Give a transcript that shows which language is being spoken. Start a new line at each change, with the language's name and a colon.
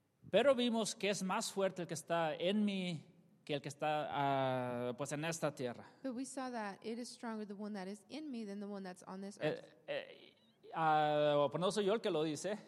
Spanish: Pero vimos que es más fuerte el que está en mí que el que está pues en esta tierra.
English: But we saw that it is stronger the one that is in me than the one that's on this earth.
Spanish: Pues no soy yo el que lo dice.